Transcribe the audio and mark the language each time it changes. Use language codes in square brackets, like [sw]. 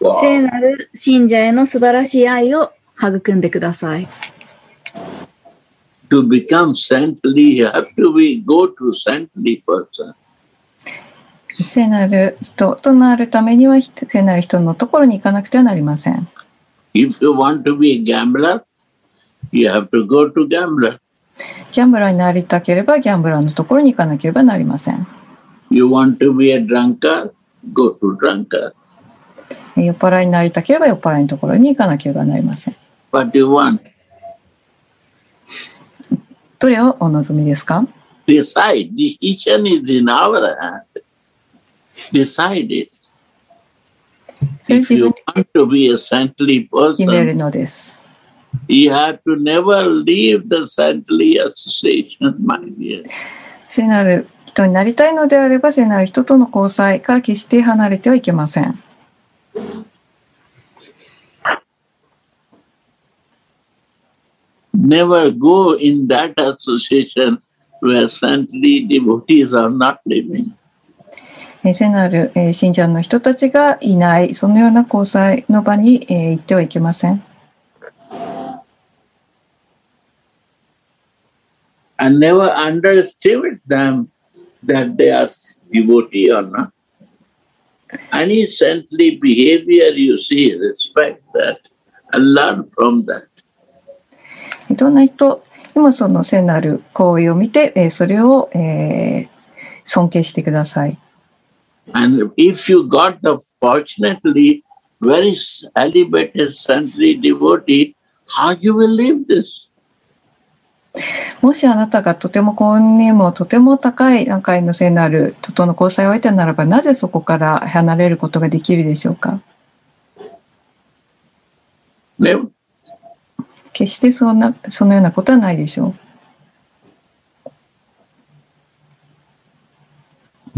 [ja] 聖なる信者への素晴らしい愛を育んでください。 [en] To become saintly, you have to be go to saintly person. [ja] 聖なる人となるためには聖なる人のところに行かなくてはなりません。 [en] If you want to be a gambler, you have to go to gambler. [ja] ギャンブラーになりたければギャンブラーのところに行かなければなりません。 [en] You want to be a drunker, go to drunker. [ja] 酔っ払いになりたければ酔っ払いのところに行かなければなりません。 [en] What do you want? [ja] どれをお望みですか? [en] Decide. Decision is in our hand. Decide it. If you want to be a saintly person, [ja] 決めるのです。 [en] You have to never leave the saintly association, my dear. [ja] 聖なる人になりたいのであれば、聖なる人との交際から決して離れてはいけません。 [en] Never go in that association where saintly devotees are not living. [ja] 聖なる信者の人たちがいない、そのような交際の場に行ってはいけません。 [en] And never underestimate them that they are devotee or not. Any saintly behavior you see, respect that and learn from that. [ja] どんな人にもその聖なる行為を見て、それを、尊敬してください。 [en] And if you got the fortunately very elevated saintly devotee, how you will live this? [ja] もしあなたがとても幸運にもとても高い段階の聖なる人との交際を得たならば、なぜそこから離れることができるでしょうか? ね決してそんな、そのようなことはないでしょう。